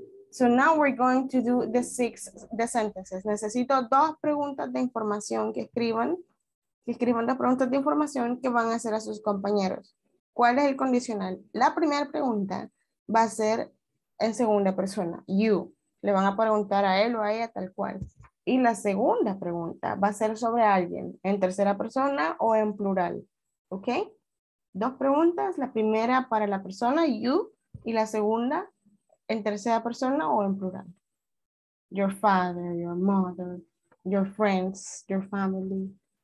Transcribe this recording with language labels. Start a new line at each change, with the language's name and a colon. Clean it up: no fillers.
English: So now we're going to do the 6 the sentences.
Spanish: Necesito 2 preguntas de información que escriban. Que escriban 2 preguntas de información que van a hacer a sus compañeros. ¿Cuál es el condicional? La primera pregunta va a ser en segunda persona. You. Le van a preguntar a él o a ella tal cual. Y la segunda pregunta va a ser sobre alguien. En tercera persona o en plural. ¿Ok? 2 preguntas. La primera para la persona, you. Y la segunda, en tercera persona o en plural.
English: Your father, your mother, your friends, your family.